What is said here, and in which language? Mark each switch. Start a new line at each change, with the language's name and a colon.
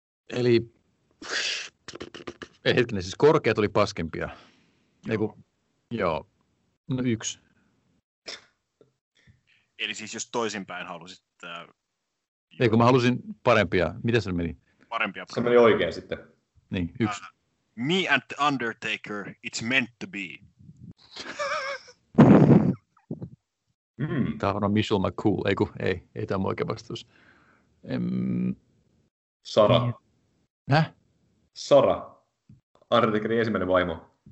Finnish: Eli, ei hetkinen, siis korkeat oli paskempia. Joo. No 1. Eli siis jos toisinpäin halusit... Eikö mä halusin parempia. Mitä se meni? Parempia. Se meni oikein sitten. Niin, 1.
English: Me and the Undertaker, it's meant to be.
Finnish: Tämä on Michelle McCool. Ei tämä oikea vastaus. Sara. Häh? Sara. Undertakerin ensimmäinen vaimo.